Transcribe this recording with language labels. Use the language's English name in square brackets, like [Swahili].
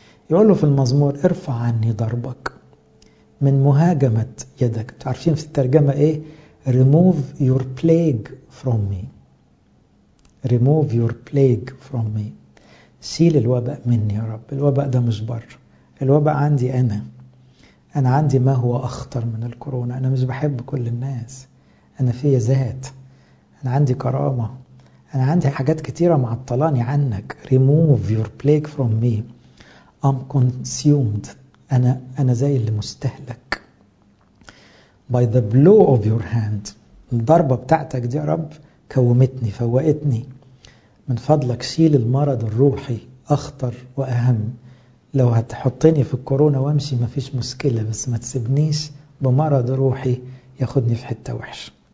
[Arabic] يقول له في المزمور ارفع عني ضربك من مهاجمة يدك، تعرفين في الترجمة ايه؟ [English] remove your plague from me، [Arabic] remove your plague from me، شيل الوباء مني يا رب. الوباء ده مش بر، الوباء عندي انا، انا عندي ما هو اخطر من الكورونا، انا مش بحب كل الناس، انا فيا ذات، انا عندي كرامة، انا عندي حاجات كتيرة معطلاني عنك. [English] remove your plague from me، I'm consumed، [Arabic] انا زي اللي مستهلك. [English] by the blow of your hand، [Arabic] الضربة بتاعتك دي يا رب كومتني فوقتني. من فضلك شيل المرض الروحي، اخطر واهم، لو هتحطني في الكورونا وامشي مفيش مشكلة، بس ما تسيبنيش بمرض روحي ياخدني في حتة وحش.